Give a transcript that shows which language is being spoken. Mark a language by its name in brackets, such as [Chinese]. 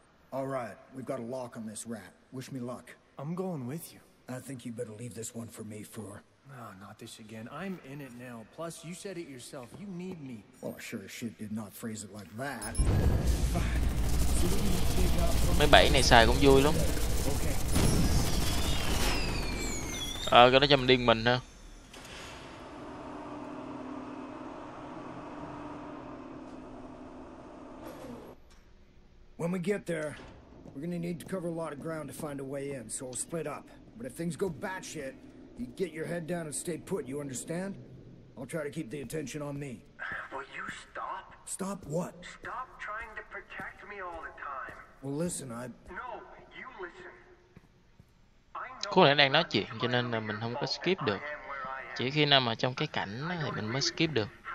[English] All right, we've got a lock on this rat. Wish me luck. I'm going with you. I think you better leave this one for me for. No, not this again. I'm in it now. Plus, you said it yourself. You need me. Well, I sure as shit did not phrase it like that. [Vietnamese] Mấy bẫy này xài cũng vui lắm. Ờ, cái đó cho mình điên mình ha. [English] When we get there, we're gonna need to cover a lot of ground to find a way in, so we'll split up. But if things go batshit, you get your head down and stay put, you understand? I'll try to keep the attention on me. Will you stop? Stop what? Stop trying to protect me all the time. Well, listen, I... No, you listen. [Vietnamese] Có lẽ đang nói chuyện cho nên là mình không có skip được. Chỉ khi nào mà trong cái cảnh thì mình mới skip được.